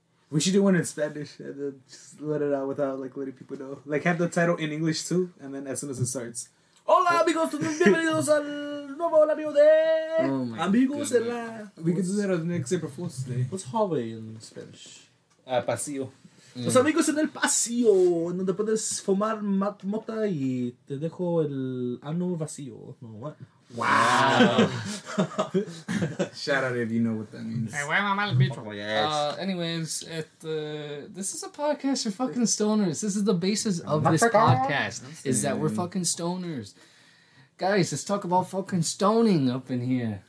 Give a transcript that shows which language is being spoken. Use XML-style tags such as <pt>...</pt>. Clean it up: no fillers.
<en>We should do one in Spanish and then just let it out without like letting people know. Like, have the title in English, too, and then as soon as it starts.</en> <es>Hola, amigos. Bienvenidos al nuevo labio de...</es> <en>Oh, my</en> <es>amigos</es> <en>goodness. We could do that on the next April Fool's Day. What's hallway in Spanish?</en> <es>Pasillo. Mm. Los amigos en el pasillo, en donde puedes fumar mota y te dejo el ano vacío.</es> <en>No, what? Wow. Shout out if you know what that means. Hey, where am I,</en> <es>mal bicho?</es> <en>Anyways, this is a podcast for fucking stoners. This is the basis of this podcast, is that we're fucking stoners. Guys, let's talk about fucking stoning up in here.</en>